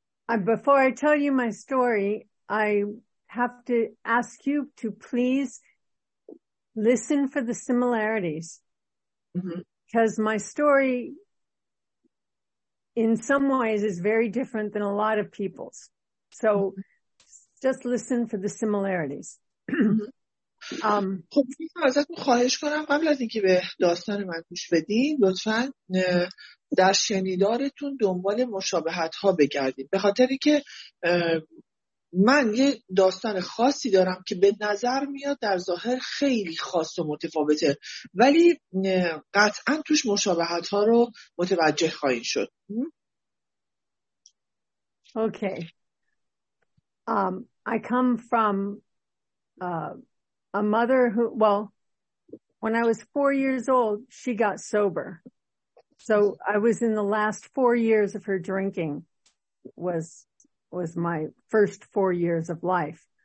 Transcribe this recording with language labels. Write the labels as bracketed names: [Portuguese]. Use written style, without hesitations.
[English] Before I tell you my story, I have to ask you to please listen for the similarities. Because my story in some ways is very different than a lot of people's. So just listen for the similarities. [Persian] خب ازتون خواهش کنم قبل از اینکه به داستان من گوش بدین لطفاً در شنیدارتون دنبال مشابهت ها بگردید، به خاطری که من یه داستان خاصی دارم که به نظر میاد در ظاهر خیلی خاص و متفاوته، ولی قطعاً توش مشابهت ها رو متوجه خواهید شد. اوکی. [English] I come from a mother who, well, when I was 4 years old, she got sober. So I was in the last 4 years of her drinking was my first 4 years of life.